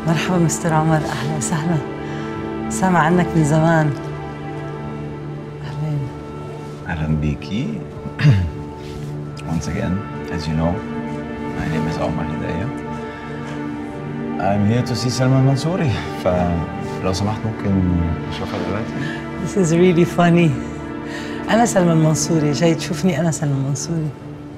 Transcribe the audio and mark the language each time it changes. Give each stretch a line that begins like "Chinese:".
Arabic: مستر عمر أهلا وسهلا سامع عنك من زمان أهلين أهلا بيكي
English: Once again, as you know, my name is Omar Hidayah I'm here to see Salman Mansouri
Arabic: فلو سمحت ممكن أشوفها دلوقتي
English: This is really funny
Arabic: أنا سلمان منصوري جاي تشوفني أنا سلمان منصوري